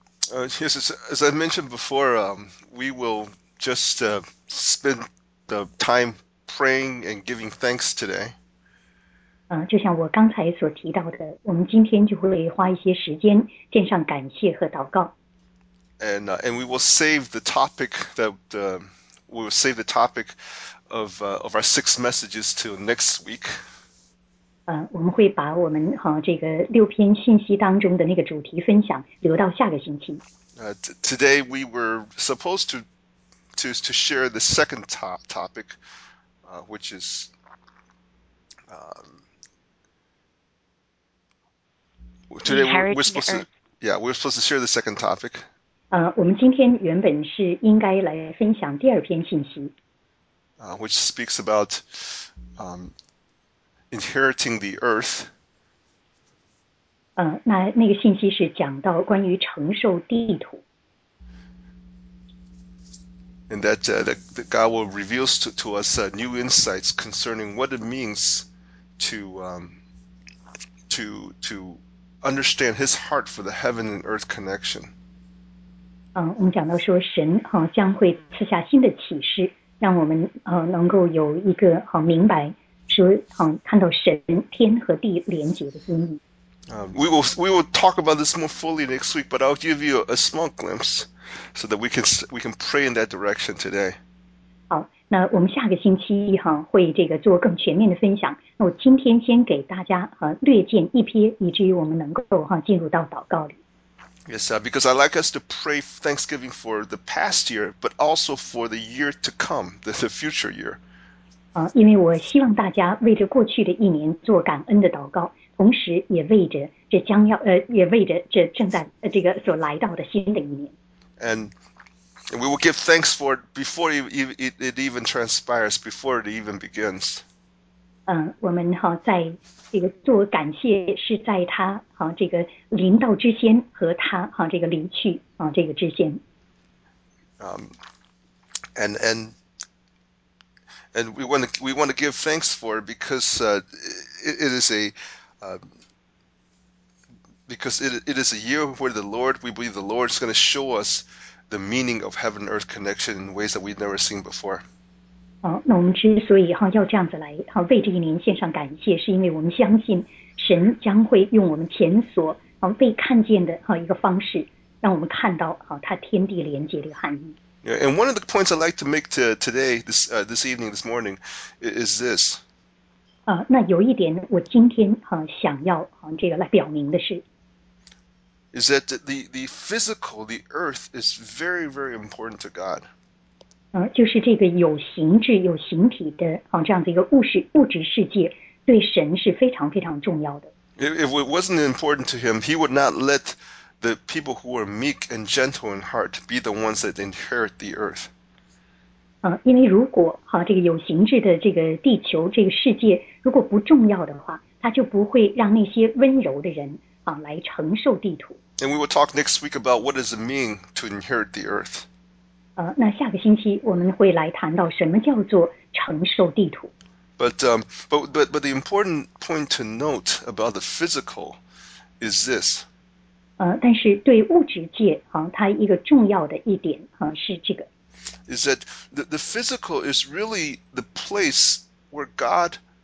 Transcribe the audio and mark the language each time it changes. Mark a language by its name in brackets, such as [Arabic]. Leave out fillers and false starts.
[English] Yes, as I mentioned before, we will just spend the time praying and giving thanks today. [Chinese] 就像我刚才所提到的，我们今天就会花一些时间献上感谢和祷告。 [English] And we will save the topic of our six messages till next week. [Chinese] 我们会把我们这个六篇信息当中的那个主题分享留到下个星期。 [English] Today we were supposed to share the second topic, which is today we're supposed to share the second topic. [Chinese] 我们今天原本是应该来分享第二篇信息。 [English] Which speaks about inheriting the earth. [Chinese] 那个信息是讲到关于承受地土。 [English] And that God will reveal to us new insights concerning what it means to understand His heart for the heaven and earth connection. [Chinese] 我们讲到说神将会赐下新的启示，让我们能够有一个明白说看到神天和地连结的心意。 [English] We will talk about this more fully next week, but I'll give you a small glimpse so that we can pray in that direction today. [Chinese] 好，那我们下个星期哈会这个做更全面的分享。那我今天先给大家略见一瞥，以至于我们能够进入到祷告里。 [English] Yes, because I like us to pray Thanksgiving for the past year, but also for the year to come, the future year. [Chinese] 因为我希望大家为着过去的一年做感恩的祷告。同时也为着这将要也为着这正在这个所来到的新的一年。 [English] And we will give thanks for it before it even transpires, before it even begins. [Chinese] 我们在这个做感谢是在它这个临到之前和它这个离去这个之前。 [English] And we want to give thanks for it because it is a because it is a year where the Lord, we believe the Lord is going to show us the meaning of heaven and earth connection in ways that we've never seen before. [Chinese] 那我们之所以要这样子来为这一年献上感谢，是因为我们相信神将会用我们前所未看见的一个方式，让我们看到他天地连接的含义。 [English] Yeah, and one of the points I'd like to make to today, this evening, this morning, is this. [Chinese] 那有一点我今天想要这个来表明的是 [English] ，is that the physical the earth is very very important to God。 [Chinese] 就是这个有形质有形体的这样子一个物质世界，对神是非常非常重要的。 [English] If it wasn't important to Him, He would not let the people who are meek and gentle in heart be the ones that inherit the earth. [Chinese] 因为如果这个有形质的这个地球这个世界如果不重要的话，它就不会让那些温柔的人来承受地土。 [English] And we will talk next week about what does it mean to inherit the earth. [Chinese] 那下个星期我们会来谈到什么叫做承受地土。 [English] But the important point to note about the physical is this. [Chinese] 但是对物质界它一个重要的一点是这个。 [English] Is that the physical is really the place where God